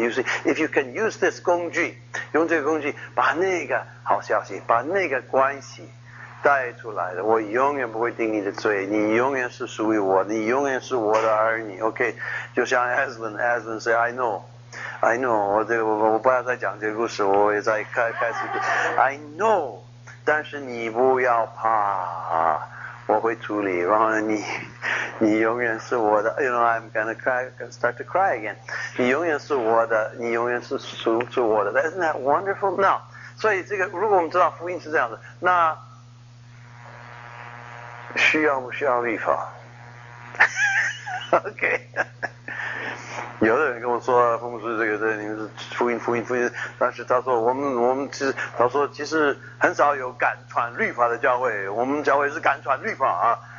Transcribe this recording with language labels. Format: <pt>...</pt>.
<en>You see, if you can use this</en> <zh>工具，用这个工具把那个好消息，把那个关系带出来的，我永远不会定你的罪，你永远是属于我，你永远是我的儿女。 OK， 就像 Aslan say,</zh> <en>I know，</en> <zh>我这个我不要再讲这个故事，我也在开始 ，I know， 但是你不要怕。我会处理，然后你永远是我的。</zh> <en>You know, I'm gonna cry, gonna start to cry again.</en> <zh>你永远是我的，你永远是属我的。</zh> <en>Isn't that wonderful?</en> <zh>Now, 所以这个如果我们知道福音是这样的，那需要不需要律法？OK， 有的人跟我说，奉师这个这你们是福音，但是他说我们其实他说其实很少有敢传律法的教会，我们教会是敢传律法啊。</zh>